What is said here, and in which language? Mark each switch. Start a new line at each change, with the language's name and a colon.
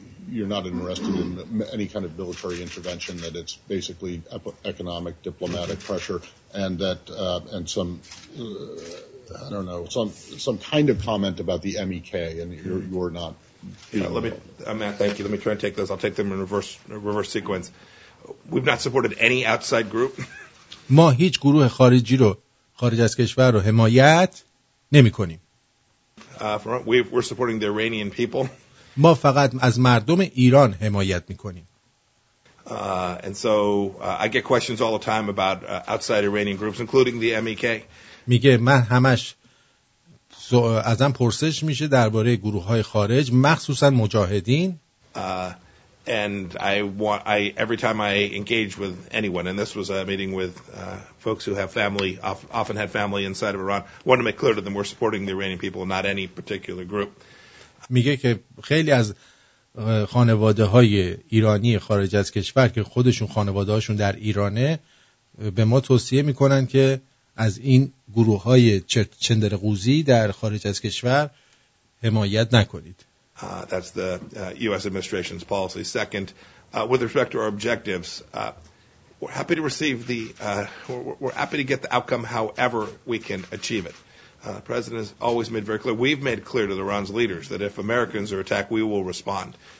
English: You're not interested in any kind of military intervention, that it's basically economic diplomatic pressure, and that and some I don't know, some kind of comment about the MEK, and you're not, you know. Matt, thank you. Let me try and take those. I'll take them in reverse sequence. We've not supported any outside group.
Persian: ما هیچ گروه خارجی رو خارج از کشور رو حمایت نمی کنیم.
English: We're supporting the Iranian people.
Persian: ما فقط از مردم ایران حمایت میکنیم.
English: And so I get questions all the time about outside Iranian groups including the MEK.
Persian: میگه من همش ازم پرسش میشه درباره گروه‌های خارج مخصوصا مجاهدین.
English: And I every time I engage with anyone, and this was a meeting with folks who have family, often had family inside of Iran, want to make clear to them we're supporting the Iranian people, not any particular group.
Persian: میگه که خیلی از خانواده های ایرانی خارج از کشور که خودشون خانواده هاشون در ایرانه به ما توصیه میکنن که از این گروه های چندرغوزی در خارج از کشور حمایت نکنید.
English: That's the US administration's policy. Second, with respect to our objectives. We're happy to receive the we're happy to get the outcome however we can achieve it. The president has always made very clear, we've made clear to Iran's leaders that if Americans are attacked, we will respond.